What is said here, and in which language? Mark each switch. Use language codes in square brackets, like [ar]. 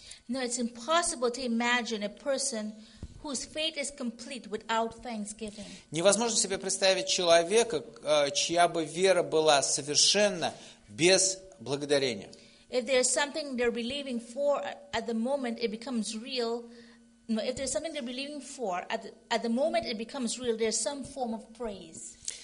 [en] No, it's impossible to imagine a person whose faith is complete without thanksgiving. [ru] Невозможно себе представить человека, чья бы вера была совершенна без благодарения. [en] If there's something they're believing for at the moment, it becomes real. No, if there's something they're believing for at the moment, it becomes real. There's some form of praise.